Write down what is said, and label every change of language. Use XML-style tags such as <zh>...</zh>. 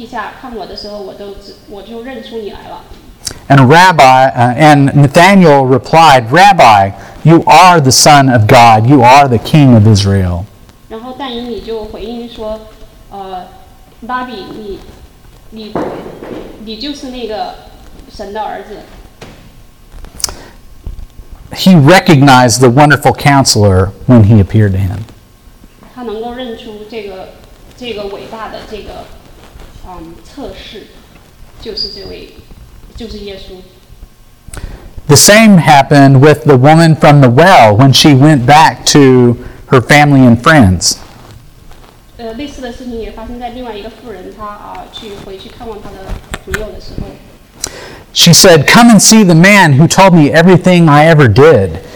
<zh>耶稣跟但以理说，你在无花果树地下看我的时候，我就认出你来了。</zh> <en>And and Nathanael replied, Rabbi, you are the Son of God. You are the King of Israel.</en> <zh>然后但以理就回应说，拉比，你就是那个神的儿子。</zh> <en>He recognized the wonderful counselor when he appeared to him.</en> <zh>他能够认出这个伟大的测试，就是这位，就是耶稣。</zh> <en>The same happened with the woman from the well when she went back to her family and friends.</en> <zh>类似的事情也发生在另外一个妇人，她回去看望她的朋友的时候。</zh> <en>She said, Come and see the man who told me everything I ever did.</en>